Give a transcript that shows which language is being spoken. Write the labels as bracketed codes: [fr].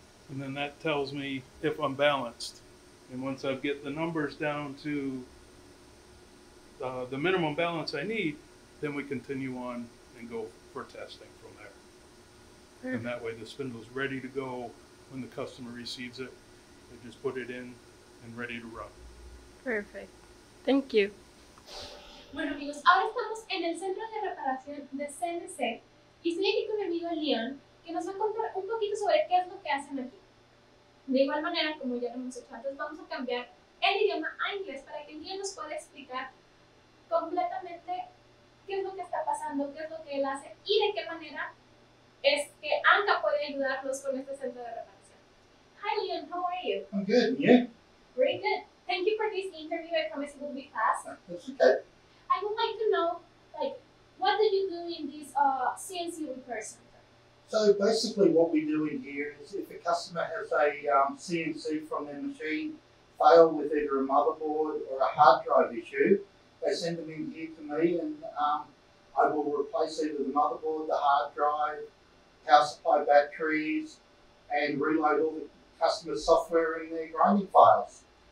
[en] And then that tells me if I'm balanced. And once I get the numbers down to the minimum balance I need, then we continue on and go for testing from there. Perfect. And that way the spindle's ready to go when the customer receives it. They just put it in and ready to run. Perfect. Thank you. [es] Bueno amigos, ahora estamos en el centro de reparación de CNC y estoy aquí con mi amigo Leon, que nos va a contar un poquito sobre qué es lo que hacen aquí. De igual manera, como ya lo hemos hecho antes, vamos a cambiar el idioma a inglés para que Leon nos pueda explicar completamente qué es lo que está pasando, qué es lo que él hace y de qué manera es que ANCA puede ayudarnos con este centro de reparación. [en] Hi Leon, how are you? I'm good, yeah. Very good. Thank you for this interview, I promise it will be fast. That's okay. I would like to know, like, what do you do in this CNC repair center? So basically what we do in here is if a customer has a CNC from their machine fail with either a motherboard or a hard drive issue, they send them in here to me and I will replace either the motherboard, the hard drive, power supply batteries, and reload all the customer's software in their grinding files.